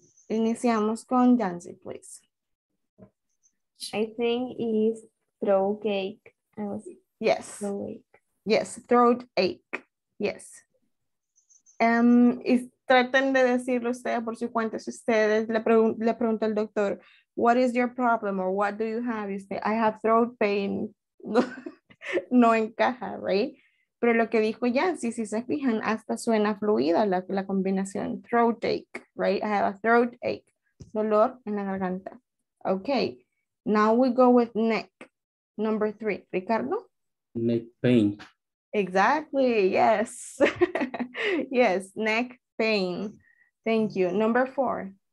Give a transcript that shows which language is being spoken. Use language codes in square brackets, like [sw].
[es] Iniciamos con Yancy, please. [en] I think it's throat ache. Yes. Yes, throat ache. Yes. [es] Y traten de decirlo ustedes por su cuenta. Si ustedes le pregunta al doctor, [en] what is your problem or what do you have? You say, I have throat pain. [es] No, no encaja, [en] right? [es] Pero lo que dijo ya, sí, si se fijan, hasta suena fluida la combinación. [en] Throat ache, right? I have a throat ache. [es] Dolor en la garganta. [en] Okay, now we go with neck. Number three, Ricardo. Neck pain. Exactly, yes. Yes, neck pain. Thank you. Number four.